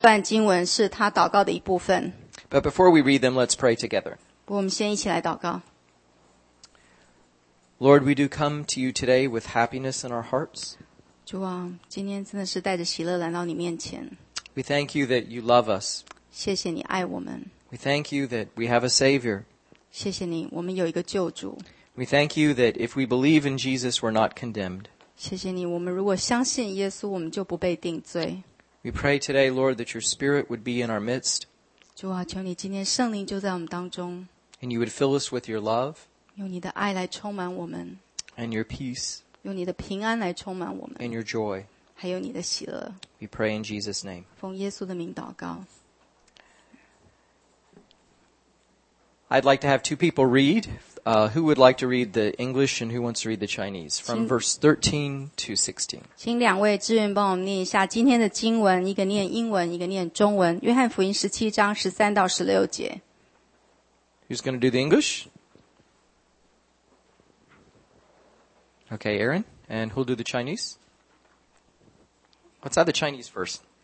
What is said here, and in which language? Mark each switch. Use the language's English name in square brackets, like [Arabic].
[Chinese] 段经文是他祷告的一部分。 [English] But before we read them, let's pray together. [Chinese] 我们先一起来祷告。 [English] Lord, we do come to you today with happiness in our hearts. [Chinese] 主啊，今天真的是带着喜乐来到你面前。 [English] We thank you that you love us. [Chinese] 谢谢你爱我们。 [English] We thank you that we have a Savior. [Chinese] 谢谢你，我们有一个救主。 [English] We thank you that if we believe in Jesus, we're not condemned. [Chinese] 谢谢你，我们如果相信耶稣，我们就不被定罪。 [English] We pray today, Lord, that your Spirit would be in our midst. [Chinese] 主啊，求你今天圣灵就在我们当中。 [English] And you would fill us with your love. [Chinese] 用你的爱来充满我们。 [English] And your peace. [Chinese] 用你的平安来充满我们。 [English] And your joy. [Chinese] 还有你的喜乐。 [English] We pray in Jesus' name. [Chinese] 奉耶稣的名祷告。 [English] I'd like to have two people read. Who would like to read the English and who wants to read the Chinese? From verse 13 to 16. [Chinese] 请两位志愿帮我们念一下今天的经文，一个念英文，一个念中文。约翰福音17章13到16节。 [English] Who's going to do the English? Okay, Aaron. And who'll do the Chinese? Let's have the Chinese first.